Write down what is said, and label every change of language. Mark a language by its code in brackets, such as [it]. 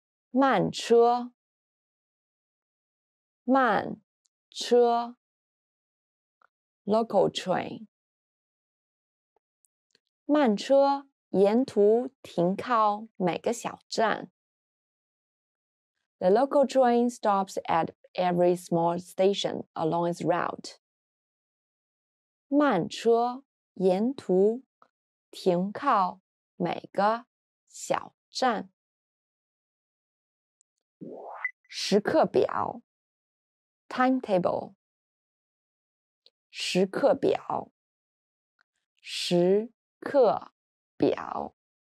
[zh] 慢车慢车 [en] Local train [zh] 慢车沿途停靠每个小站 [en] The local train stops at every small station along its route [zh] 慢车沿途停靠每个小站时刻表 [en] Timetable [zh] 时刻表时刻表